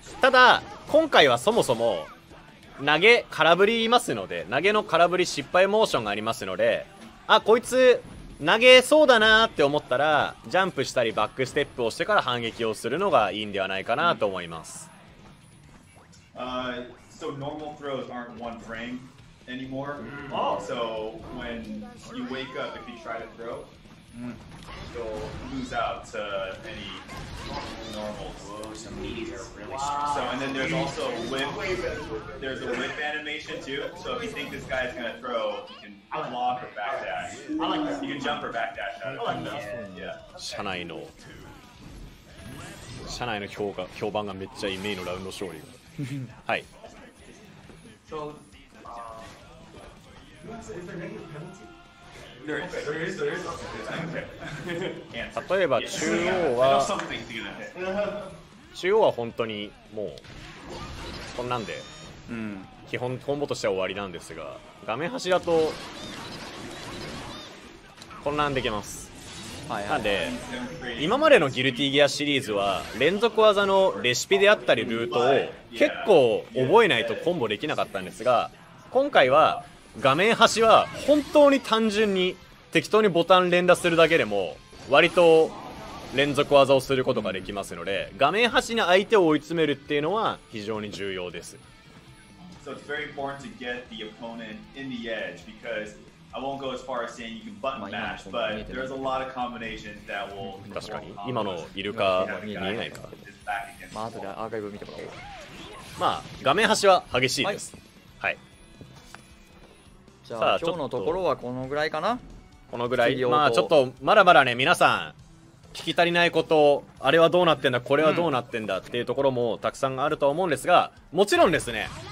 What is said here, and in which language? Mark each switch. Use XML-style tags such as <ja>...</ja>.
<ja>ただ今回はそもそも投げ空振りいますので、投げの空振り失敗モーションがありますので、あこいつ投げそうだなって思ったらジャンプしたりバックステップをしてから反撃をするのがいいんではないかなと思います。</ja> <en>So normal throws aren't one frameanymore. Also, when you wake up, if you try to throw, you'll lose out to any normal. So, and then there's also whip. There's a whip animation too. So if you think this guy is gonna throw, you can block or back dash. I like this. You can jump or back dash. Yeah.</en> <ja>社内の社内の評価評判がめっちゃいいメイのラウンド勝利。はい。</ja> <en>So,</en> <ja>例えば中央は中央は本当にもうこんなんで基本コンボとしては終わりなんですが、画面端だと混乱できます。なんで今までのギルティギアシリーズは連続技のレシピであったりルートを結構覚えないとコンボできなかったんですが、今回は画面端は本当に単純に適当にボタン連打するだけでも割と連続技をすることができますので、画面端に相手を追い詰めるっていうのは非常に重要です。</ja> <en>So it's very important to get the opponent in the edge, because I won't go as far as saying you can button mash, but there's a lot of combinations that will...</en> <ja>確かに今のイルカ見えないか、まあ後でアーカイブ見てもらおう。まあ画面端は激しいです。はい、じゃあ今日のところはこのぐらいかな。このぐらい、まあちょっとまだまだね、皆さん聞き足りないこと、あれはどうなってんだ、これはどうなってんだっていうところもたくさんあると思うんですが、もちろんですね、</ja>